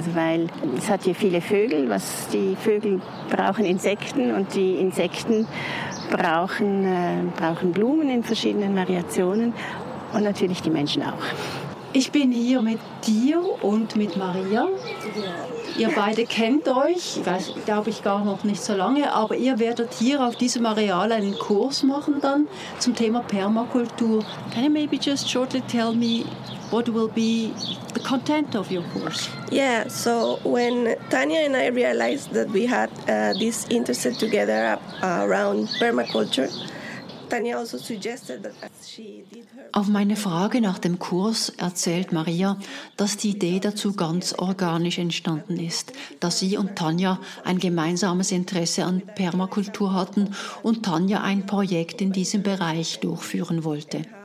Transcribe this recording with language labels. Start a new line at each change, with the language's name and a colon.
German: Also weil es hat hier viele Vögel, was die Vögel brauchen, Insekten, und die Insekten brauchen Blumen in verschiedenen Variationen und natürlich die Menschen auch. Ich bin hier mit dir und mit Maria. Ihr beide kennt euch, glaube ich, gar noch nicht so lange, aber ihr werdet hier auf diesem Areal einen Kurs machen dann zum Thema Permakultur.
English: Can you maybe just shortly tell me what will be the content of your course? Yeah, so when Tanya and I realized that we had this interest together around permaculture, Tanya also suggested that she did her...
German: Auf meine Frage nach dem Kurs erzählt Maria, dass die Idee dazu ganz organisch entstanden ist, dass sie und Tanya ein gemeinsames Interesse an Permakultur hatten und Tanya ein Projekt in diesem Bereich durchführen wollte.